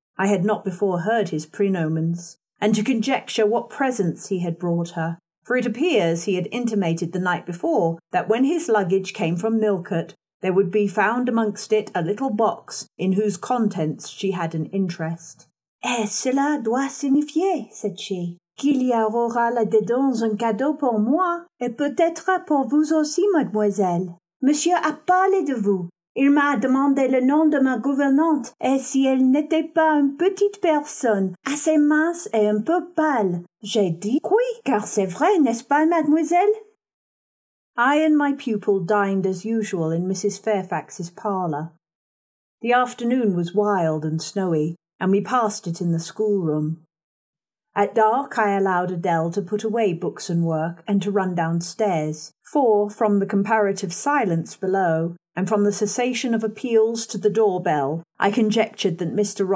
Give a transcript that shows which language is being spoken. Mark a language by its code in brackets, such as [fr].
[en] I had not before heard his prenomens, and to conjecture what presents he had brought her, for it appears he had intimated the night before that when his luggage came from Millcote, there would be found amongst it a little box in whose contents she had an interest. [fr] Et cela doit signifier, [en] said she, [fr] qu'il y aura là-dedans un cadeau pour moi, et peut-être pour vous aussi, mademoiselle. Monsieur a parlé de vous. Il m'a demandé le nom de ma gouvernante, et si elle n'était pas une petite personne, assez mince et un peu pâle. J'ai dit oui, car c'est vrai, n'est-ce pas, mademoiselle? [en] I and my pupil dined as usual in Mrs. Fairfax's parlour. The afternoon was wild and snowy, and we passed it in the schoolroom. At dark I allowed Adele to put away books and work, and to run downstairs, for, from the comparative silence below, and from the cessation of appeals to the doorbell, I conjectured that Mr.